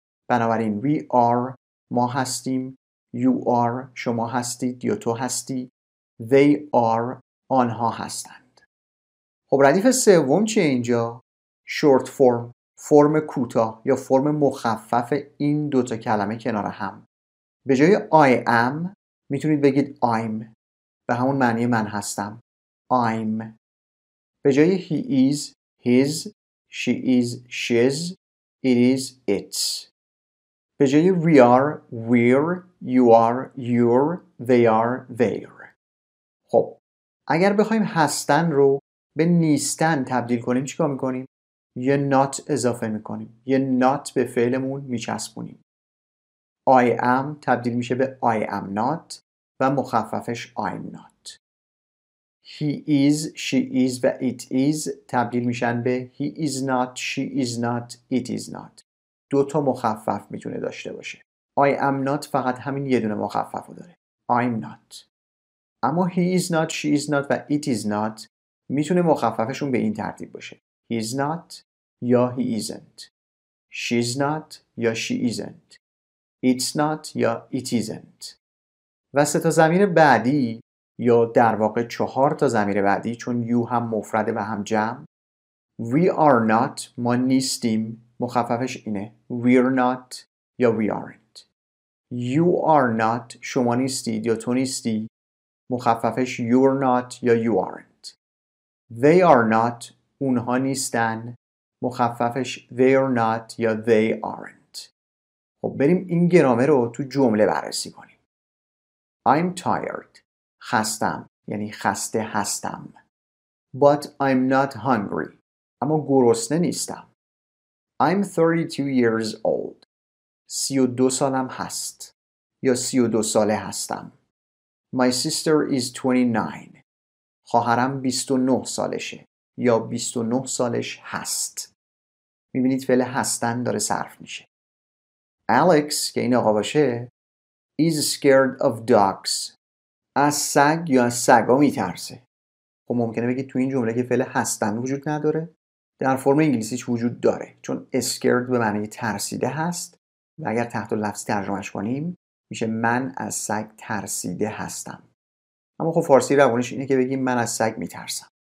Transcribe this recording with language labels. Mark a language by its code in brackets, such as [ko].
[fa] بنابراین we are، ما هستیم، you are، شما هستید یا تو هستی، they are، آنها هستند. خب ردیف سوم چیه اینجا؟ short form، فرم کوتاه یا فرم مخفف این دوتا کلمه کنار هم. به جای I am میتونید بگید I'm به همون معنی من هستم. [en] I'm. به جای he is، his، she is، she's، it is، it's. به جای we are، we're، you are، you're، they are، they're. خب [fa] اگر بخوایم هستن رو به نیستن تبدیل کنیم چیکار میکنیم؟ یه not اضافه میکنیم. یه not به فعلمون میچسبونیم. [en] I am تبدیل میشه به I am not و مخففش I'm not. He is, she is و it is تبدیل میشن به He is not, she is not, it is not. [fa] دو تا مخفف میتونه داشته باشه. I am not فقط همین یه دونه مخفف رو داره. [en] I'm not. اما he is not, she is not و it is not میتونه مخففشون به این ترتیب باشه. He is not یا he isn't. She is not یا she isn't. It's not یا it isn't. [fa] و سه تا ضمیر بعدی یا در واقع چهار تا ضمیر بعدی چون you هم مفرده و هم جمع. [en] We are not [fa] ما نیستیم. مخففش اینه. [en] We're not یا we aren't. [fa] You are not شما نیستید یا تو نیستی. [en] مخففش you're not یا you aren't. They are not [fa] اونها نیستن. [en] مخففش they're not یا they aren't. [fa] خب بریم این گرامر رو تو جمله بررسی کنیم. [en] I'm tired. [fa] خستم. یعنی خسته هستم. [en] But I'm not hungry. [fa] اما گرسنه نیستم. [en] I'm 32 years old. [fa] 32 سالم هست. یا 32 ساله هستم. [en] My sister is 29. [fa] خواهرم 29 سالشه. یا 29 سالش هست. میبینید فعل هستن داره صرف میشه. Alex که این آقا باشه [en] is scared of dogs. [fa] از سگ یا از سگا میترسه. خب ممکنه بگید تو این جمله که فعل هستن وجود نداره. در فرم انگلیسیش وجود داره چون scared به معنی ترسیده هست و اگر تحت لفظی ترجمهش کنیم میشه من از سگ ترسیده هستم. اما خب فارسی روانش اینه که بگیم من از سگ میترسم.